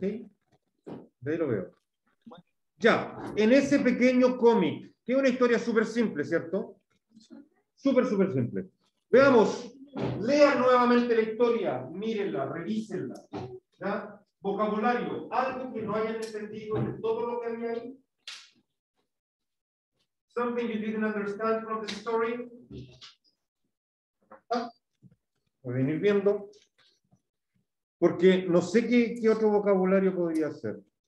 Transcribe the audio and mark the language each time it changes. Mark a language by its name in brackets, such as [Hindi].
[Spanish] De ahí lo veo. Ya, en ese pequeño cómic, que es una historia súper simple, ¿cierto? Súper, súper simple. Veamos, lean nuevamente la historia, mírenla, revísenla, ¿ya? Vocabulario, algo que no hayan entendido de todo lo que había ahí. [English] Something you didn't understand from the story. [Spanish] Pueden ir viendo, porque no sé qué otro vocabulario podría ser.